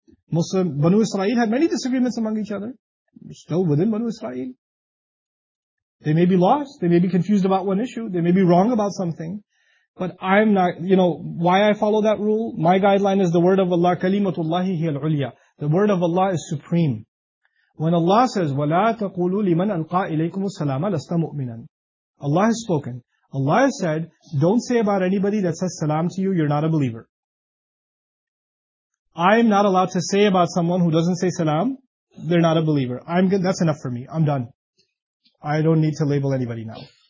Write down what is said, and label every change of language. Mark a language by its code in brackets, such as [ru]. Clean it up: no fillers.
[en] Muslim, Banu Israel had many disagreements among each other. Still within Banu Israel. They may be lost. They may be confused about one issue. They may be wrong about something. But I'm not, you know, why I follow that rule? My guideline is the word of Allah, kalimatullahi hiya al-ulya. The word of Allah is supreme. When Allah says, [ar] وَلَا تَقُولُوا لِمَنْ أَلْقَى إِلَيْكُمُ السَّلَامَ لَسْتَ مُؤْمِنًا. [en] Allah has spoken. Allah has said, don't say about anybody that says salam to you, you're not a believer. I'm not allowed to say about someone who doesn't say salam, they're not a believer. That's enough for me. I'm done. I don't need to label anybody now.